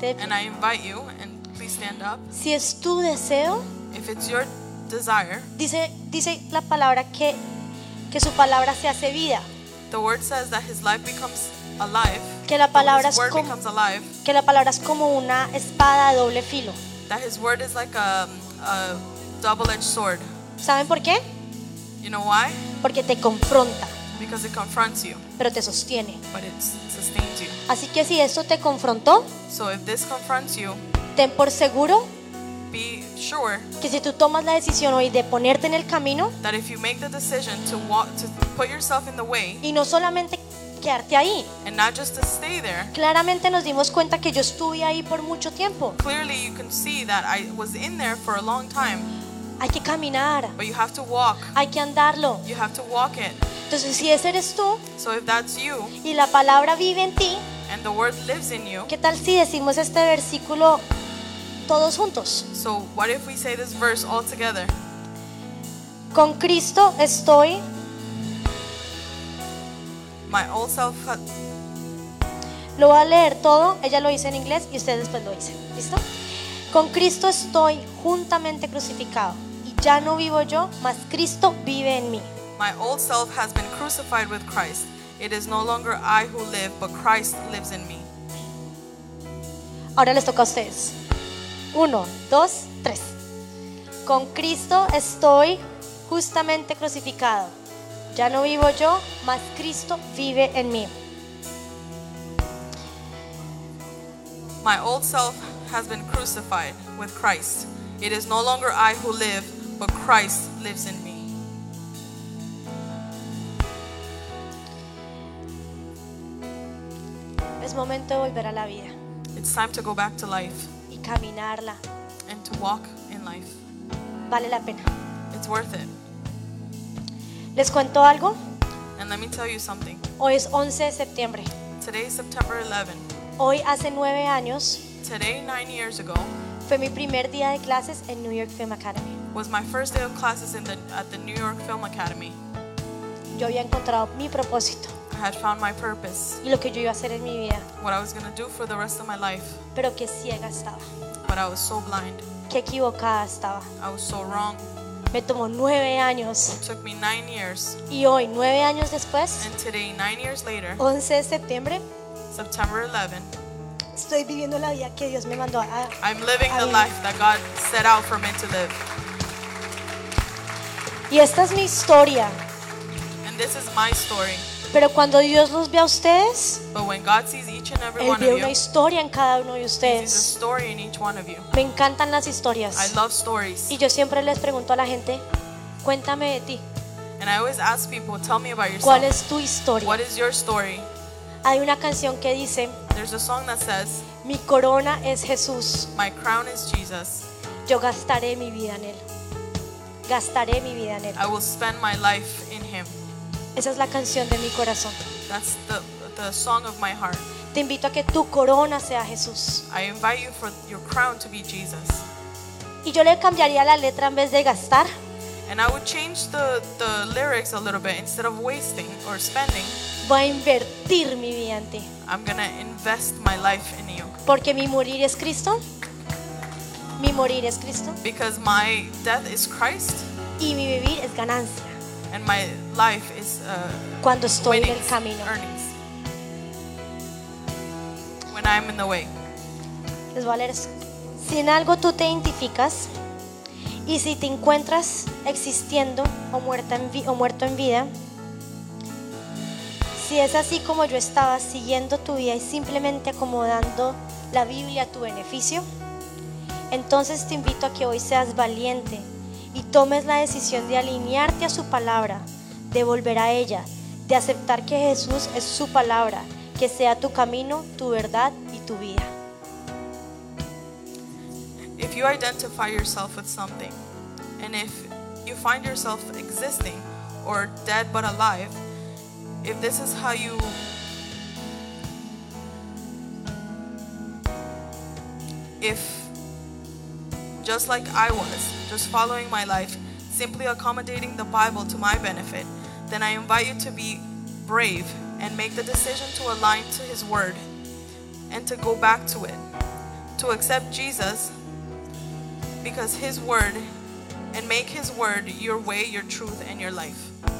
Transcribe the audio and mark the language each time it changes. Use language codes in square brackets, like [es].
[en] And I invite you, and please stand up. [es] Si es tu deseo. [en] If it's your desire. [es] Dice la palabra que su palabra se hace vida. [en] The word says that his life becomes alive. [es] Que la palabra [en] his word [es] es como, [en] becomes alive. [es] Que la palabra es como una espada de doble filo. [en] That his word is like a double-edged sword. [es] ¿Saben por qué? [en] You know why? [es] Porque te confronta. [en] Because it confronts you. [es] Pero te sostiene. [en] But it sustains you. [es] Así que si esto te confrontó, [en] so if this confronts you, [es] ten por seguro. [en] Be sure [es] que si tú tomas la decisión hoy de ponerte en el camino, [en] that if you make the decision to walk, to put yourself in the way, [es] y no solamente quedarte ahí, [en] and not just to stay there, [es] claramente nos dimos cuenta que yo estuve ahí por mucho tiempo. [en] Clearly you can see that I was in there for a long time. [es] Hay que caminar. [en] But you have to walk. [es] Hay que andarlo. [en] You have to walk it. [es] Entonces si ese eres tú, [en] so if that's you, [es] y la palabra vive en ti, [en] and the word lives in you, [es] ¿qué tal si decimos este versículo todos juntos? [en] So what if we say this verse all together? [es] Con Cristo estoy. [en] My old self. [es] Lo voy a leer todo. Ella lo dice en inglés y ustedes después lo dicen. ¿Listo? Con Cristo estoy juntamente crucificado y ya no vivo yo, mas Cristo vive en mí. [en] My old self has been crucified with Christ. It is no longer I who live, but Christ lives in me. [es] Ahora les toca a ustedes. Uno, dos, tres. Con Cristo estoy justamente crucificado. Ya no vivo yo, mas Cristo vive en mí. [en] My old self has been crucified with Christ. It is no longer I who live, but Christ lives in me. [es] Es momento de volver a la vida. [en] It's time to go back to life. [es] Caminarla. [en] And to walk in life. [es] Vale la pena. [en] It's worth it. [es] ¿Les cuento algo? [en] And let me tell you something. [es] Hoy es 11 de septiembre. [en] Today is September 11. [es] Hoy hace 9 años. [en] Today, 9 years ago. [es] Fue mi primer día de clases en New York Film Academy. [en] Was my first day of classes at the New York Film Academy. [es] Yo había encontrado mi propósito. [en] I had found my purpose. [es] Y lo que yo iba a hacer en mi vida. [en] What I was going to do for the rest of my life. [es] Pero qué ciega estaba. [en] But I was so blind. [es] Qué equivocada estaba. [en] I was so wrong. [es] Me tomó 9 años. [en] It took me 9 years. [es] Y hoy, 9 años después, [en] and today, 9 years later, [es] 11 de septiembre, [en] September 11, [es] estoy viviendo la vida que Dios me mandó a vivir. [en] I'm living the life that God set out for me to live. [es] Y esta es mi historia. [en] And this is my story. [es] Pero cuando Dios los ve a ustedes, [en] but when God sees each and every [es] Él [en] one of [es] una historia [en] you, [es] en cada uno de ustedes. [en] He sees a story in each one of you. [es] Me encantan las historias. [en] I love stories. [es] Y yo siempre les pregunto a la gente, cuéntame de ti. [en] And I always ask people, tell me about yourself. [es] ¿Cuál es tu historia? [en] What is your story? [es] Hay una canción que dice, [en] there's a song that says, [es] mi corona es Jesús. [en] My crown is Jesus. [es] Yo gastaré mi vida en Él. Gastaré mi vida en Él. [en] I will spend my life in Him. [es] Esa es la canción de mi corazón. [en] That's the song of my heart. [es] Te invito a que tu corona sea Jesús. [en] I invite you for your crown to be Jesus. [es] Y yo le cambiaría la letra en vez de gastar. [en] And I would change the lyrics a little bit. Instead of wasting or spending, [es] voy a invertir mi vida en ti. [en] I'm gonna invest my life in you. [es] Porque mi morir es Cristo. Mi morir es Cristo. [en] Because my death is Christ. [es] Y mi vivir es ganancia. [en] And my life is [es] cuando estoy [en] winnings, [es] en el camino. [en] Earnings. When I'm in the way. [es] Les voy a leer eso. Si en algo tú te identificas y si te encuentras existiendo o muerto en vida, si es así como yo estaba siguiendo tu vida y simplemente acomodando la Biblia a tu beneficio, entonces te invito a que hoy seas valiente y tomes la decisión de alinearte a su palabra, de volver a ella, de aceptar que Jesús es su palabra, que sea tu camino, tu verdad y tu vida. [en] If you identify yourself with something, and if you find yourself existing or dead but alive, if this is how you if just like I was, just following my life, simply accommodating the Bible to my benefit, then I invite you to be brave and make the decision to align to His Word and to go back to it, to accept Jesus because His Word, and make His Word your way, your truth, and your life.